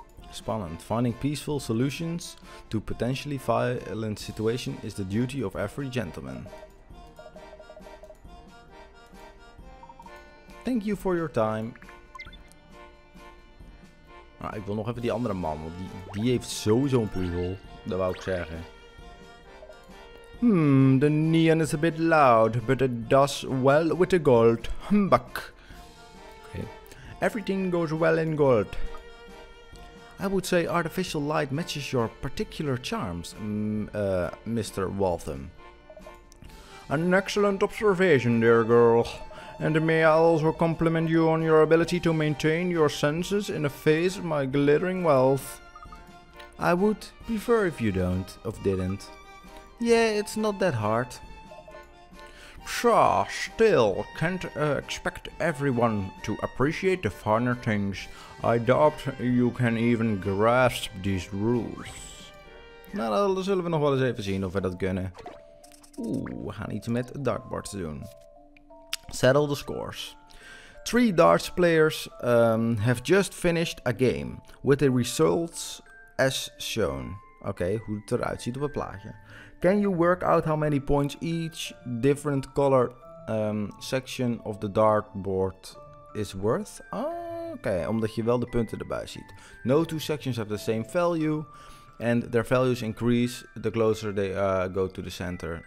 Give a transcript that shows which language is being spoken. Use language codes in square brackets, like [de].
[nl] Spannend. [en] Finding peaceful solutions to potentially violent situation is the duty of every gentleman. Thank you for your time. [nl] Ah, ik wil nog even die andere man, want die heeft sowieso een puzzel. Dat wou ik zeggen. [en] The neon is a bit loud, but it does well with the gold. Humbug. Okay. Everything goes well in gold. I would say artificial light matches your particular charms, Mr. Waltham. An excellent observation, dear girl. And may I also compliment you on your ability to maintain your senses in the face of my glittering wealth. I would prefer if you don't, or didn't. Yeah, it's not that hard. Pshaw, still, can't expect everyone to appreciate the finer things. I doubt you can even grasp these rules. [nl] Nou, dan zullen we nog wel eens even zien of we dat kunnen. Oeh, we gaan iets met dartboards doen. [en] Settle the scores. 3 darts players have just finished a game with the results as shown. [nl] Okay, hoe het eruit ziet op het plaatje. [en] Can you work out how many points each different color section of the dartboard is worth? [nl] Okay, omdat je wel de punten erbij ziet. [en] No two sections have the same value and their values increase the closer they go to the center.